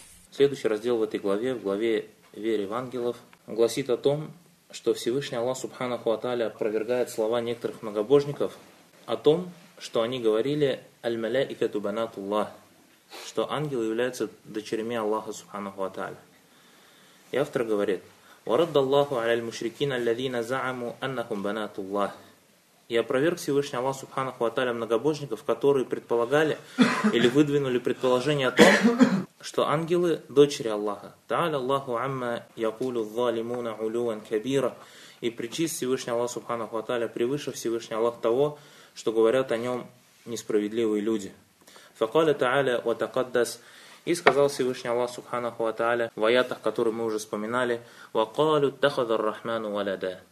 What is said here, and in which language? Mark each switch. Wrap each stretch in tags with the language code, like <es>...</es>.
<ru>Следующий раздел в этой главе, в главе «Вере в ангелов», гласит о том, что Всевышний Аллах Субханаху Аталя опровергает слова некоторых многобожников о том, что они говорили</ru> <ar>«Аль-Маля-Икату Банатуллах»,</ar> <ru>что ангелы являются дочерями Аллаха Субханаху Аталя. И автор говорит,</ru> <ar>وَرَدَّ اللَّهُ عَلَى الْمُشْرِكِينَ الَّذِينَ زَعَمُوا أَنَّهُمْ بَنَاتُ اللَّهِ.</ar> <ru>И опроверг Всевышний Аллах Субханаху ва Тааля многобожников, которые предполагали или выдвинули предположение о том, что ангелы – дочери Аллаха.</ru> <ar>تَعَالَ اللَّهُ عَمَّا يَقُولُ الظَّالِمُونَ عُلُوًا كَبِيرًا.</ar> <ru>И причисть Всевышний Аллах Субханаху ва Тааля превыше Всевышний Аллах того, что говорят о нем несправедливые люди.</ru> <ar>فَقَالَ تَعَالَ وَتَقَدَّسْ.</ar> <ru>И сказал Всевышний Аллах Субханаху ва Тааля в аятах, которые мы уже вспоминали,</ru> <ar>وَقَالُ اتَّخَذَ الرَّحْمَنُ وَلَدًا.</ar>